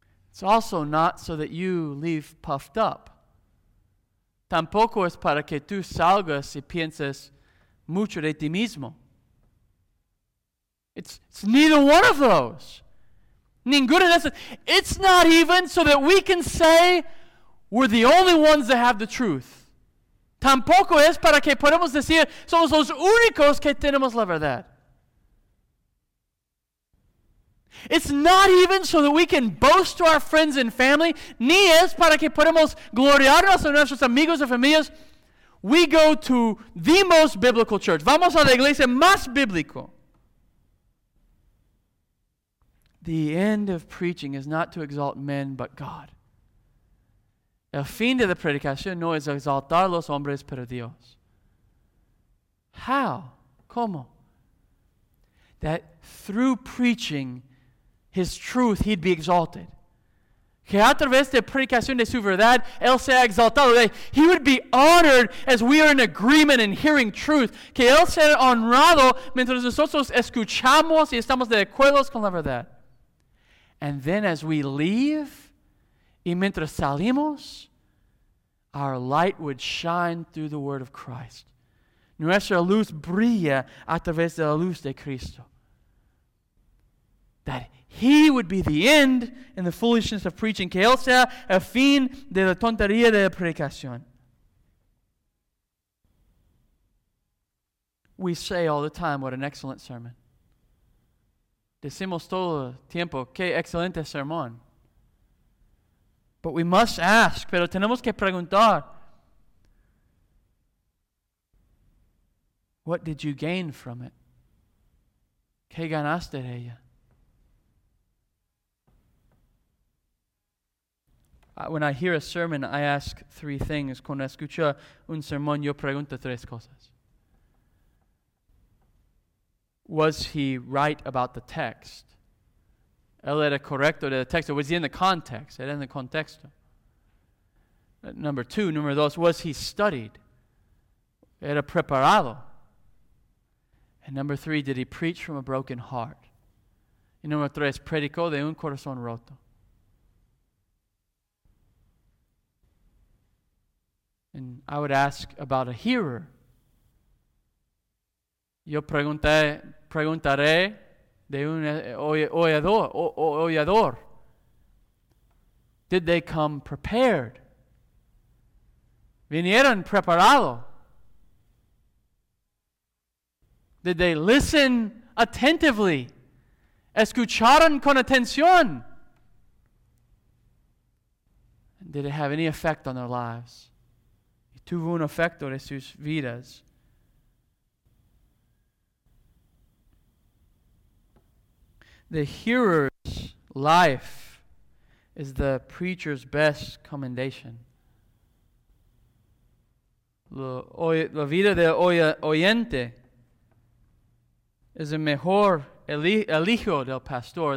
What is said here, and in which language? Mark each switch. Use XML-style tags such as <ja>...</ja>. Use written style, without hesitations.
<en>It's also not so that you leave puffed up.</en> <es>Tampoco es para que tú salgas y pienses mucho de ti mismo.</es> <en>It's neither one of those.</en> <es>Ninguna de esas.</es> <en>It's not even so that we can say we're the only ones that have the truth.</en> <es>Tampoco es para que podamos decir somos los únicos que tenemos la verdad.</es> <en>It's not even so that we can boast to our friends and family,</en> <es>ni es para que podamos gloriarnos a nuestros amigos y familias.</es> <en>We go to the most biblical church.</en> <es>Vamos a la iglesia más bíblico.</es> <en>The end of preaching is not to exalt men, but God.</en> <es>El fin de la predicación no es exaltar los hombres, pero Dios.</es> <en>How?</en> <es>¿Cómo?</es> <en>That through preaching, his truth, he'd be exalted.</en> <es>Que a través de predicación de su verdad, él sea exaltado.</es> <en>He would be honored as we are in agreement in hearing truth.</en> <es>Que él sea honrado mientras nosotros escuchamos y estamos de acuerdo con la verdad.</es> <en>And then as we leave,</en> <es>y mientras salimos,</es> <en>our light would shine through the word of Christ.</en> <es>Nuestra luz brilla a través de la luz de Cristo.</es> <en>That he would be the end in the foolishness of preaching.</en> <es>Que él sea el fin de la tontería de la predicación.</es> <en>We say all the time, what an excellent sermon.</en> <es>Decimos todo el tiempo, qué excelente sermón.</es> <en>But we must ask,</en> <es>pero tenemos que preguntar.</es> <en>What did you gain from it?</en> <es>¿Qué ganaste de ella?</es> <en>When I hear a sermon, I ask three things.</en> <es>Cuando escucho un sermón, yo pregunto tres cosas.</es> <en>Was he right about the text?</en> <es>¿Él era correcto de la texto?</es> <en>Was he in the context?</en> <es>¿Era en el contexto?</es> <en>Number dos, was he studied?</en> <es>¿Era preparado?</es> <en>And number three, did he preach from a broken heart?</en> <es>Y número tres, predicó de un corazón roto.</es> <en>And I would ask about a hearer.</en> <es>Yo preguntaré de un oyador.</es> <en>Did they come prepared?</en> <es>¿Vinieron preparado?</es> <en>Did they listen attentively?</en> <es>¿Escucharon con atención?</es> <en>Did it have any effect on their lives?</en> <es>¿Tuvo un efecto en sus vidas?</es> <en>The hearer's life is the preacher's best commendation.</en> <es>La vida del oyente es el mejor elijo del pastor.</es>